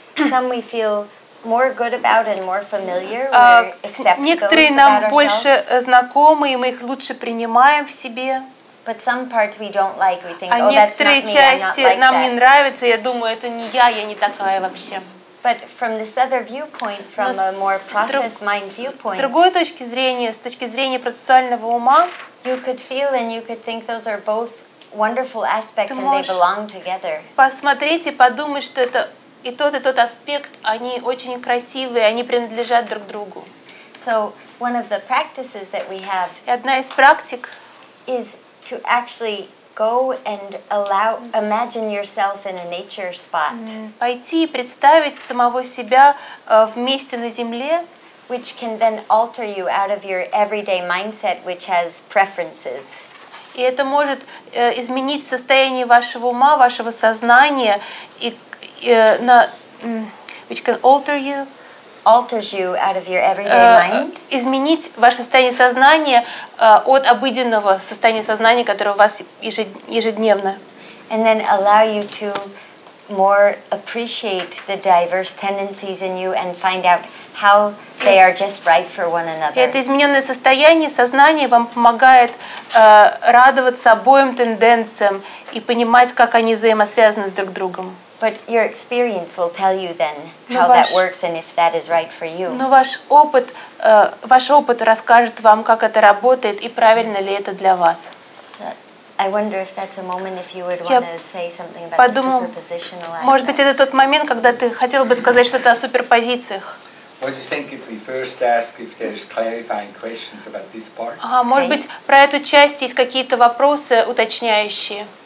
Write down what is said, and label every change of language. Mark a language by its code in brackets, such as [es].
[en] Some we feel more good about and more familiar. [ru] Некоторые нам больше знакомы, и мы их лучше принимаем в себе. [en] But some parts we don't like. We think, [ru] а некоторые части нам не нравятся, я думаю, это не я, я не такая вообще. [en] But from this other viewpoint, from a more process mind viewpoint, [ru] с другой точки зрения, с точки зрения процессуального ума, [en] you could feel and you could think those are both wonderful aspects and they belong together. [ru] Посмотреть и подумать, что это и тот аспект, они очень красивые, они принадлежат друг другу. [en] So one of the practices that we have, [ru] одна из практик, [en] is to actually go and allow imagine yourself in a nature spot. [ru] Пойти и представить самого себя в месте на земле, [en] which can then alter you out of your everyday mindset which has preferences. [ru] И это может изменить состояние вашего ума, вашего сознания и на [en] which can alter you alters you out of your everyday mind. [ru] Изменить ваше состояние сознания от обыденного состояния сознания, которое у вас ежедневно. [en] And then allow you to more appreciate the diverse tendencies in you and find out how they are just right for one another. [ru] Это изменённое состояние сознания вам помогает радоваться обоим тенденциям и понимать, как они взаимосвязаны с друг другом. [en] But your experience will tell you then how that works and if that is right for you. [ru] Но ваш опыт расскажет вам, как это работает и правильно ли это для вас. [en] I wonder if that's a moment if you would want to say something about the superpositional aspect. [ru] Может быть, это тот момент, когда ты хотел бы сказать что-то о суперпозициях. [en] What do you think if we first ask if there is clarifying questions about this part? [ru] Может быть, про эту часть есть какие-то вопросы уточняющие?